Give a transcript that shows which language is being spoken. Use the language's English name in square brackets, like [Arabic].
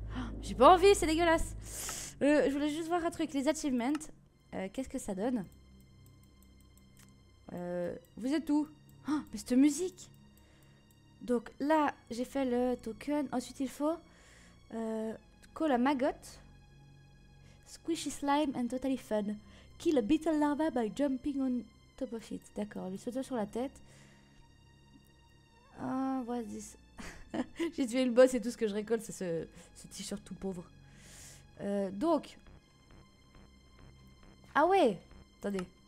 [French] Oh, j'ai pas envie, c'est dégueulasse. Je voulais juste voir un truc, les achievements. Qu'est-ce que ça donne? Vous êtes où? Oh, mais cette musique! Donc là, j'ai fait le token. Ensuite, il faut... [English] call a maggot. Squishy slime and totally fun. Kill a beetle larva by jumping on top of it. [French] D'accord, lui saute sur la tête. [English] Oh, what's this? [French] J'ai tué le boss et tout ce que je récolte, c'est ce t-shirt tout pauvre. Donc. Ah ouais! Attendez.